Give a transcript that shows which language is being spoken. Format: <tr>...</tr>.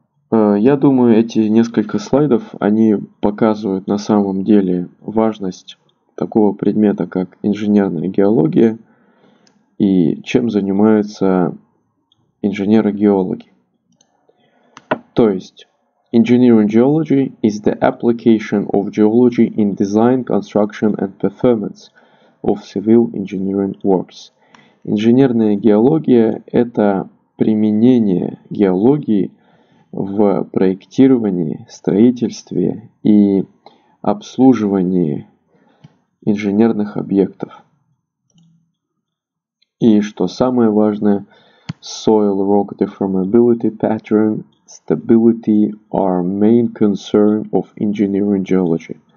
<ru>Я думаю, эти несколько слайдов, они показывают на самом деле важность такого предмета, как инженерная геология, и чем занимаются инженеры-геологи. То есть</ru> <en>engineering geology is the application of geology in design, construction and performance of civil engineering works.</en> <ru>Инженерная геология – это применение геологии в проектировании, строительстве и обслуживании инженерных объектов. И что самое важное,</ru> <en>soil rock deformability pattern stability are main concern of engineering geology.</en>